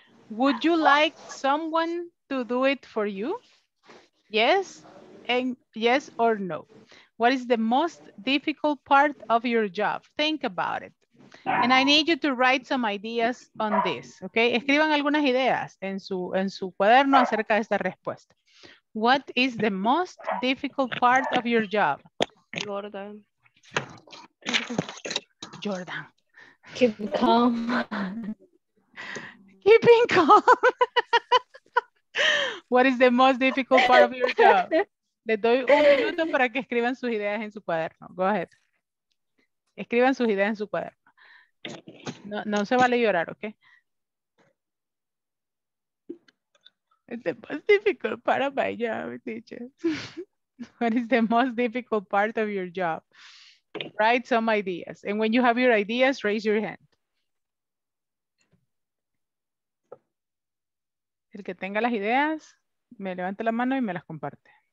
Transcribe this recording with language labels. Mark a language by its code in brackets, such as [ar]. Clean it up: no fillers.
[en] Would you like someone to do it for you? Yes, and yes or no. What is the most difficult part of your job? Think about it. And I need you to write some ideas on this, okay? [es] Escriban algunas ideas en su cuaderno acerca de esta respuesta. [en] What is the most difficult part of your job? Gordon. Jordan. Keep calm. Keeping calm. What is the most difficult part of your job? [es] Le doy un minuto para que escriban sus ideas en su cuaderno. [en] Go ahead. [es] Escriban sus ideas en su cuaderno. No, no se vale llorar, ¿ok? [en] It's the most difficult part of my job, teacher. What is the most difficult part of your job? Write some ideas. And when you have your ideas, raise your hand. [es] El que tenga las ideas, me levanta la mano y me las comparte.